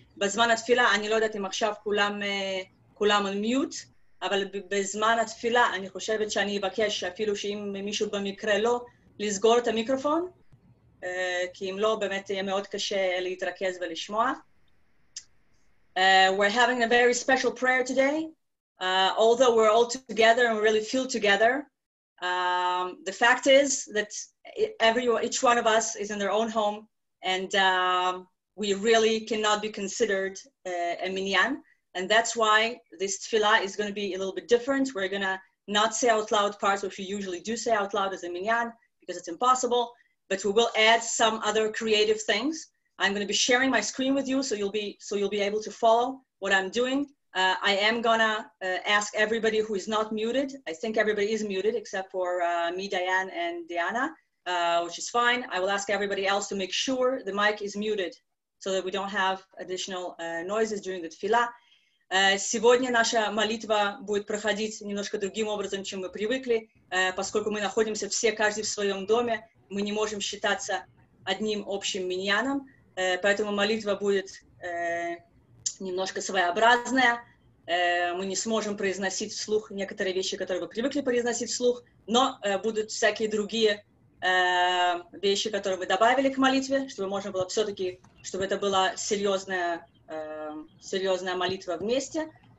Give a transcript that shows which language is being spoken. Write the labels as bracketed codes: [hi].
[he] בזמן התפילה, אני לא יודעת אם עכשיו כולם [en] on mute, [he] אבל בזמן התפילה אני חושבת שאני אבקש אפילו שאם מישהו במקרה לא, לסגור את המיקרופון, כי אם לא, באמת יהיה מאוד קשה להתרכז ולשמוע. [en] We're having a very special prayer today. Although we're all together and we really feel together, the fact is that each one of us is in their own home, and we really cannot be considered a minyan, and that's why this tefillah is going to be a little bit different. We're going to not say out loud parts which we usually do say out loud as a minyan, because it's impossible, but we will add some other creative things. I'm going to be sharing my screen with you, so you'll be able to follow what I'm doing. I am going to ask everybody who is not muted, I think everybody is muted except for me, Diane, and Diana, which is fine. I will ask everybody else to make sure the mic is muted so that we don't have additional noises during the tefillah. [ru] Сегодня наша молитва будет проходить немножко другим образом, чем мы привыкли, поскольку мы находимся все, каждый в своем доме, мы не можем считаться одним общим миньяном, поэтому молитва будет немножко своеобразная, мы не сможем произносить вслух некоторые вещи, которые мы привыкли произносить вслух, но будут всякие другие вещи, которые мы добавили к молитве, чтобы можно было все-таки, чтобы это была серьезная серьезная молитва вместе.